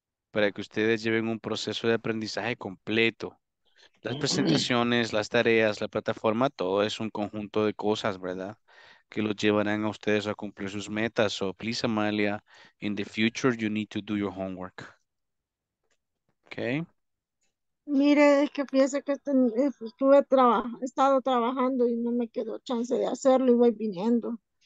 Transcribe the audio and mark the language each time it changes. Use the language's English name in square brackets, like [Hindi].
[Spanish] Para que ustedes lleven un proceso de aprendizaje completo. Las presentaciones, las tareas, la plataforma, todo es un conjunto de cosas, ¿verdad? Que los llevarán a ustedes a cumplir sus metas. [English] So, please, Amalia, in the future, you need to do your homework. Okay. [Spanish] Mire, es que piensa que he estado trabajando y no me quedó chance de hacerlo y voy viniendo.